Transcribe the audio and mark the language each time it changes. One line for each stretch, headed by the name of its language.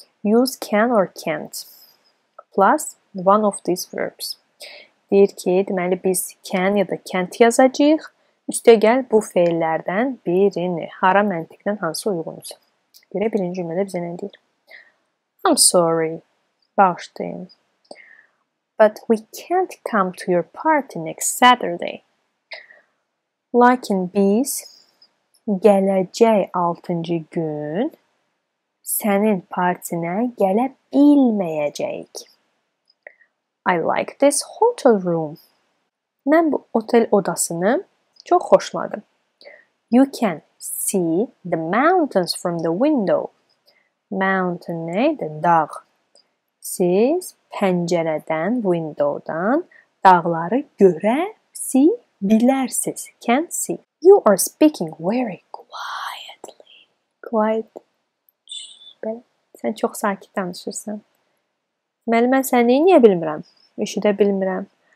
English: Use can or can't. Plus one of these verbs.
Azerbaijani: Deyir ki, deməli, biz can ya da can't yazacaq. Üstəgəl, bu feillərdən birini, hara məntiqdən hansı uyğunsa. Deyirə, birinci cümlədə bizə nə deyir?
English: I'm sorry.
Azerbaijani: Bağışlayın.
English: But we can't come to your party next Saturday.
Azerbaijani: Lakin biz gələcək 6-cı gün sənin partinə gələ bilməyəcəyik.
English: I like this hotel room.
Azerbaijani: Mən bu otel odasını çox xoşladım.
English: You can see the mountains from the window.
Azerbaijani: Mountain neydi? Dağ. Siz pəncərədən, window-dan dağları görə bilərsiz.
English: Can see. You are speaking very quietly. Quiet.
Azerbaijani: Sən çox sakit danışırsan. Deməli, mən səni niyə bilmirəm? Eşidə bilmirəm.